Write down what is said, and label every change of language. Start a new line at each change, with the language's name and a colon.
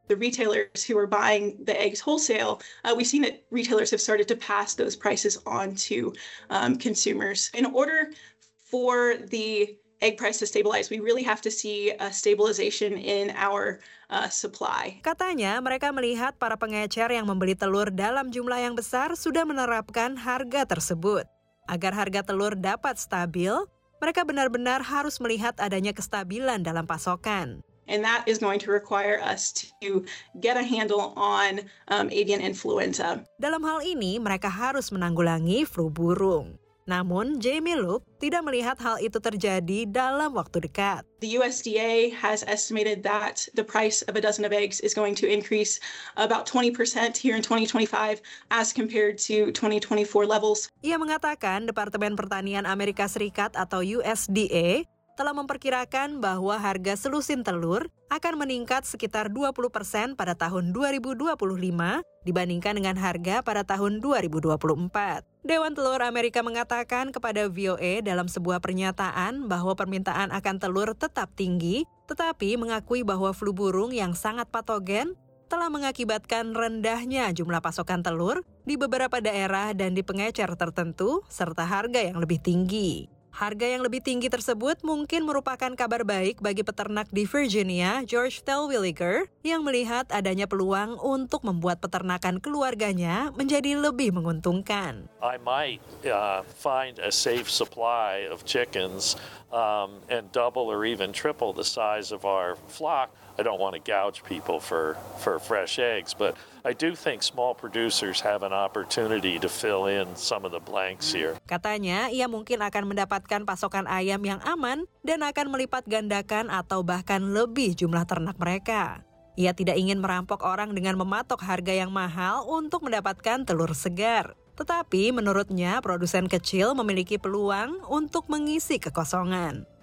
English: The retailers who are buying the eggs wholesale, we've seen that retailers have started to pass those prices on to consumers. In order for the egg price to stabilize, we really have to see a stabilization in our supply.
Indonesian: Katanya, mereka melihat para pengecer yang membeli telur dalam jumlah yang besar sudah menerapkan harga tersebut. Agar harga telur dapat stabil, mereka benar-benar harus melihat adanya kestabilan dalam pasokan.
English: And that is going to require us to get a handle on avian influenza.
Indonesian: Dalam hal ini, mereka harus menanggulangi flu burung. Namun, Jamie Luke tidak melihat hal itu terjadi dalam waktu dekat.
English: The USDA has estimated that the price of a dozen of eggs is going to increase about 20% here in 2025 as compared to 2024 levels.
Indonesian: Ia mengatakan Departemen Pertanian Amerika Serikat atau USDA telah memperkirakan bahwa harga selusin telur akan meningkat sekitar 20% pada tahun 2025 dibandingkan dengan harga pada tahun 2024. Dewan Telur Amerika mengatakan kepada VOA dalam sebuah pernyataan bahwa permintaan akan telur tetap tinggi, tetapi mengakui bahwa flu burung yang sangat patogen telah mengakibatkan rendahnya jumlah pasokan telur di beberapa daerah dan di pengecer tertentu, serta harga yang lebih tinggi. Harga yang lebih tinggi tersebut mungkin merupakan kabar baik bagi peternak di Virginia, George Tellwilliger, yang melihat adanya peluang untuk membuat peternakan keluarganya menjadi lebih menguntungkan.
English: I might find a safe supply of chickens and double or even triple the size of our flock. I don't want to gouge people for fresh eggs, but I do think small producers have an opportunity to fill in some of the blanks here.
Indonesian: Katanya, ia mungkin akan mendapatkan pasokan ayam yang aman dan akan melipat gandakan atau bahkan lebih jumlah ternak mereka. Ia tidak ingin merampok orang dengan mematok harga yang mahal untuk mendapatkan telur segar. Tetapi menurutnya, produsen kecil memiliki peluang untuk mengisi kekosongan.